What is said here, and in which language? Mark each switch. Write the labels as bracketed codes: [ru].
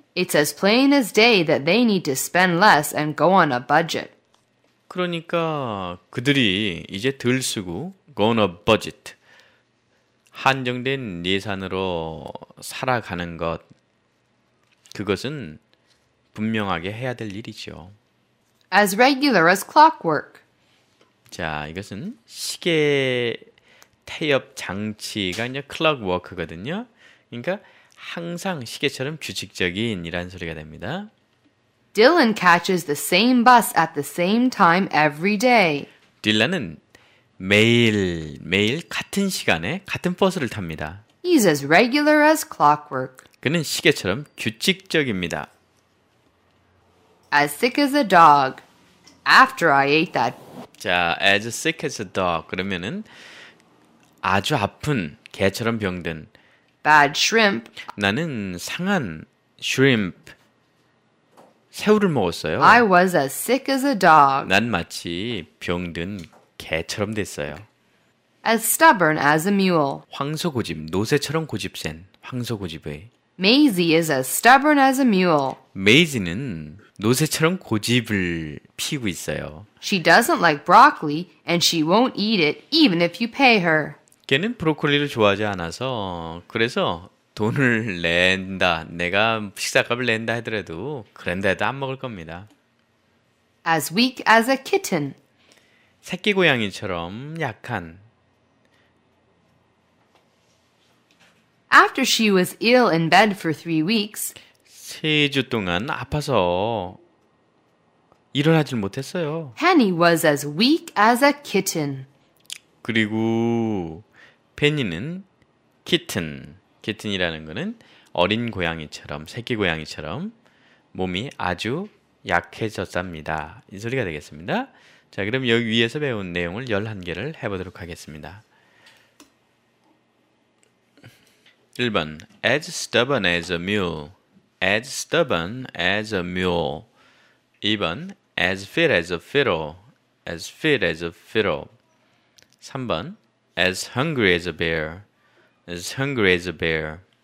[en] It's as plain as day that they need to spend less and go on a budget. [ko] 그러니까 그들이 이제 덜 쓰고 [en] go on a budget. [ko] 한정된 예산으로 살아가는 것. 그것은 분명하게 해야 될 일이죠. [en] As regular as clockwork. [ko] 자, 이것은 시계 태엽 장치가 이제 clockwork거든요. 그러니까 항상 시계처럼 규칙적인 이란 소리가 됩니다. [en] Dylan catches the same bus at the same time every day. [ko] 딜런은 매일 같은 시간에 같은 버스를 탑니다. [en] He's as regular as clockwork. [ko] 그는 시계처럼 규칙적입니다. [en] As sick as a dog. After I ate that. 자, as sick as a dog. [ko] 그러면은 아주 아픈 개처럼 병든. [en] Bad shrimp. [ko] 나는 상한 shrimp. 새우를 먹었어요. [en] I was as sick as a dog. [ko] 난 마치 병든 개처럼 됐어요. [en] As stubborn as a mule. [ko] 황소 고집, 노새처럼 고집센 황소 고집의. [en] Maisie is as stubborn as a mule. [ko] Maisie는 노새처럼 고집을 피우고 있어요. [en] She doesn't like broccoli and she won't eat it even if you pay her. [ko] 걔는 브로콜리를 좋아하지 않아서 그래서 돈을 낸다. 내가 식사값을 낸다 하더라도 그런데 해도 안 먹을 겁니다. [en] As weak as a kitten. [ko] 새끼 고양이처럼 약한. [en] After she was ill in bed for 3 weeks, [ko] 3주 동안 아파서 일어나질 못했어요. [en] Penny was as weak as a kitten. [ko] 그리고 Penny는 kitten, kitten이라는 거는 어린 고양이처럼, 새끼 고양이처럼 몸이 아주 약해졌답니다. 이 소리가 되겠습니다. 자, 그럼 여기 위에서 배운 내용을 11개를 해보도록 하겠습니다. [en] 1번, as stubborn as a mule, as stubborn as a mule. 2번, as fit as a fiddle, as fit as a fiddle. 3번, as hungry as a bear, as hungry as a bear.